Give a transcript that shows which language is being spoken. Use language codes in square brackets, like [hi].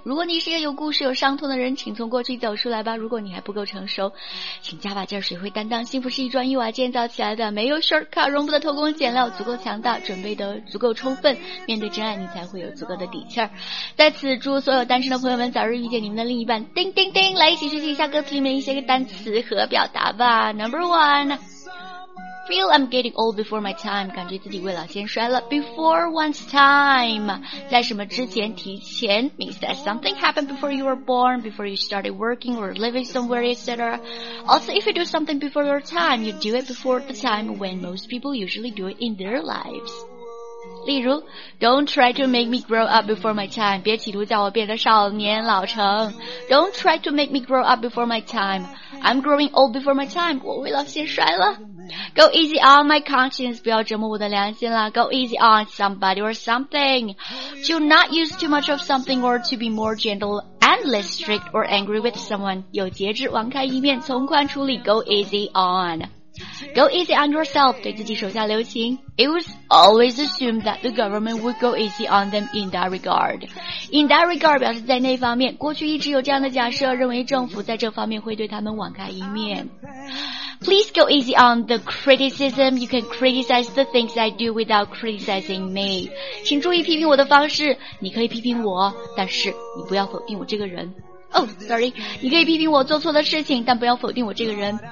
[zh] 如果你是一个有故事有伤痛的人，请从过去走出来吧。如果你还不够成熟，请加把劲，谁会担当。幸福是一砖一瓦建造起来的，没有 shortcut， 容不得偷工减料，足够强大，准备得足够充分，面对真爱你才会有足够的底气。在此祝所有单身的朋友们早日遇见你们的另一半。叮叮叮，来一起学习一下歌词里面一些个单词和表达吧。 [en] Number one,Feel I'm getting old before my time. [zh] 感觉自己未老先衰了。 [en] Before one's time. [zh] 在什么之前提前 [en] means that something happened before you were born, before you started working or living somewhere, etc. Also, if you do something before your time, you do it before the time when most people usually do it in their lives. [zh] 例如 [en] Don't try to make me grow up before my time. [zh] 别企图叫我变得少年老成。 [en] Don't try to make me grow up before my time. I'm growing old before my time. [zh] 我未老先衰了。 [en] Go easy on my conscience, [zh] 不要折磨我的良心了。 [en] Go easy on somebody or something. Do not use too much of something or to be more gentle and less strict or angry with someone. [zh] 有节制，网开一面，从宽处理。 [en] Go easy on. Go easy on yourself, [zh] 对自己手下留情。 [en] It was always assumed that the government would go easy on them in that regard. In that regard [zh] 表示在那方面，过去一直有这样的假设，认为政府在这方面会对他们网开一面。 [en] Please go easy on the criticism. You can criticize the things I do without criticizing me. [zh] 请注意批评我的方式，你可以批评我，但是你不要否定我这个人。你可以批评我做错的事情，但不要否定我这个人。